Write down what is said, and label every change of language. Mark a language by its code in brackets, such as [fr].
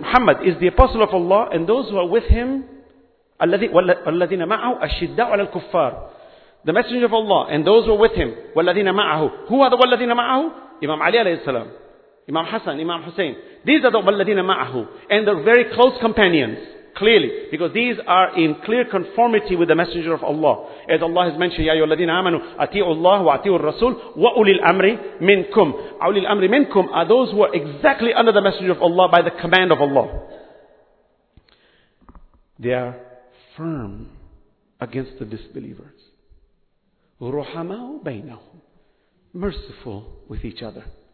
[en] Muhammad is the apostle of Allah and those who are with him, [ar] الَّذِينَ مَعَهُ أَشِدَّاءُ عَلَى الْكُفَّارِ. [en] The Messenger of Allah and those who are with him, [ar] وَالَّذِينَ مَعَهُ. [en] Who are the [ar] وَالَّذِينَ مَعَهُ? [en] Imam Ali alayhi salam, Imam Hassan, Imam Hussein. These are the [ar] وَالَّذِينَ مَعَهُ [en] and the very close companions. Clearly, because these are in clear conformity with the Messenger of Allah. As Allah has mentioned, [ar] يَا أَيُّهَا الَّذِينَ آمَنُوا أَطِيعُوا اللَّهَ وَأَطِيعُوا الرَّسُولَ وَأُولِي الْأَمْرِ مِنْكُمْ. أُولِي الْأَمْرِ مِنْكُمْ [en] are those who are exactly under the Messenger of Allah by the command of Allah. They are firm against the disbelievers. [ar] رُحَمَاءُ بَيْنَهُمْ, [en] merciful with each other.